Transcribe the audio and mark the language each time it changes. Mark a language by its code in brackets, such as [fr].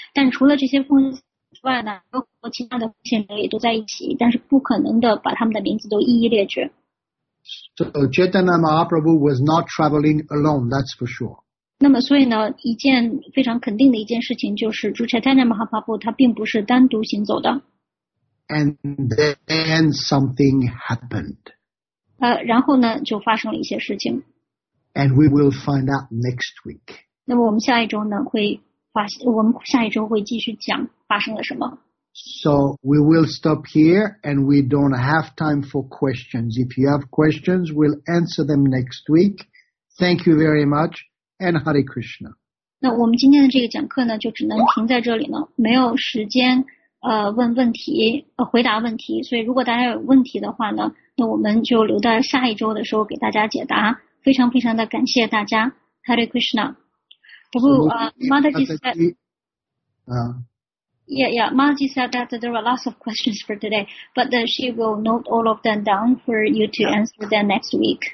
[zh] 但除了这些奉献之外呢，有很多其他的奉献者也都在一起，但是不可能的把他们的名字都一一列举。 [en] So Chaitanya Mahaprabhu was not traveling alone, that's for sure. [zh] 那么所以呢，一件非常肯定的一件事情就是朱查泰纳马哈帕布他并不是单独行走的。 [en] And then something happened. [zh] 然后呢就发生了一些事情。 [en] And we will find out next week. [zh] 那么我们下一周呢会发现，我们下一周会继续讲发生了什么。 [en] So we will stop here and we don't have time for questions. If you have questions, we'll answer them next week. Thank you very much and Hare Krishna. [zh] 那我们今天的这个讲课呢就只能停在这里了，没有时间问问题回答问题，所以如果大家有问题的话呢，那我们就留到下一周的时候给大家解答。非常非常的感谢大家， Hare Krishna. [en] Prabhu, Mataji said, Mataji said that there were lots of questions for today, but that she will note all of them down for you to answer them next week.